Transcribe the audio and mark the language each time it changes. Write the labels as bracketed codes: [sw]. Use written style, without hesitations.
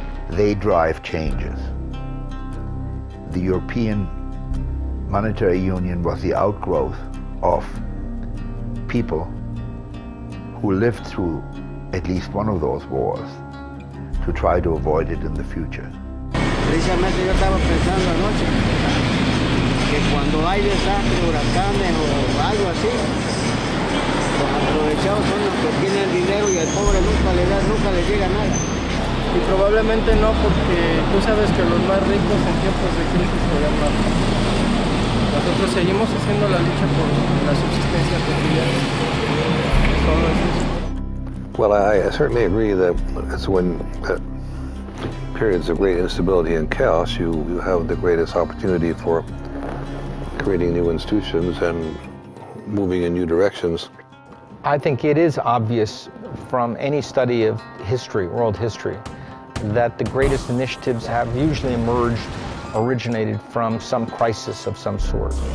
[en] They drive changes. The European Monetary Union was the outgrowth of people who lived through at least one of those wars to try to avoid it in the future. [es] Precisamente yo estaba pensando anoche que cuando hay desastres, huracanes o algo así, los aprovechados son los que tienen el dinero y al pobre nunca le llega nada. Y probablemente no, porque tú sabes que los más ricos en tiempos de crisis se llaman más. Nosotros seguimos haciendo la lucha por la subsistencia cotidiana. Solo es eso. [en] Well, I certainly agree that it's when periods of great instability and chaos, you have the greatest opportunity for creating new institutions and moving in new directions. I think it is obvious from any study of history, world history, that the greatest initiatives have usually emerged, originated from some crisis of some sort.